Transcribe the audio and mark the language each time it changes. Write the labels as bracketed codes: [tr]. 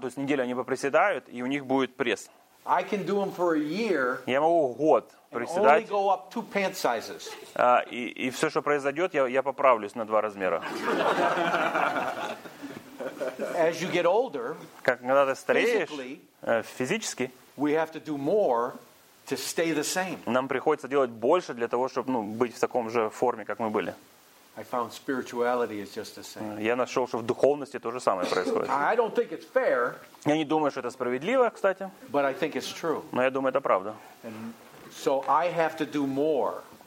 [ru] То есть неделю они поприседают, и у них будет пресс. [en] I can do them for a year. [ru] Я могу год приседать. [en] And only go up two pant sizes. [ru] И все, что произойдет, я поправлюсь на два размера. [en] As you get older, [ru] когда ты стареешь, физически, [en] we have to do more to stay the same. [ru] Нам приходится делать больше для того, чтобы быть в таком же форме, как мы были. [en] I found spirituality is just the same. [ru] Я нашел, что в духовности то же самое происходит. [en] I don't think it's fair. [ru] Я не думаю, что это справедливо, кстати. [en] But I think it's true. [ru] Но я думаю, это правда. [en] And so I have to do more.